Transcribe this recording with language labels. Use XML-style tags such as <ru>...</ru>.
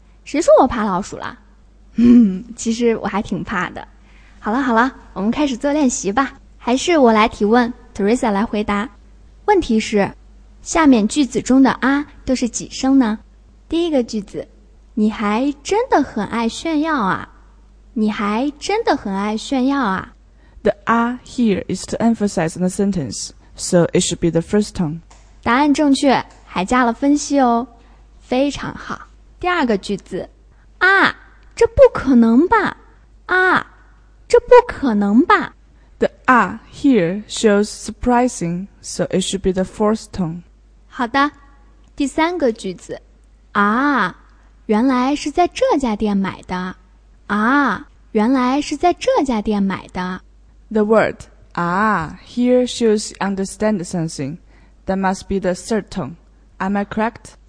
<zh>谁说我怕老鼠了？其实我还挺怕的。好了好了，我们开始做练习吧。还是我来提问， Teresa 来回答。问题是，下面句子中的啊都是几声呢？第一个句子，你还真的很爱炫耀啊。你还真的很爱炫耀啊。</zh> <en>The a here is to emphasize in the sentence, so it should be the first tone.</en> <zh>答案正确，还加了分析哦。非常好。第二个句子，啊，这不可能吧。啊，这不可能吧。</zh> <en>The a here shows surprising, so it should be the fourth tone.</en> <zh>好的。第三个句子，啊，原来是在这家店买的。啊，原来是在这家店买的。</zh> <en>The word, ah, here shows understand something. That must be the third tone. Am I correct?</en>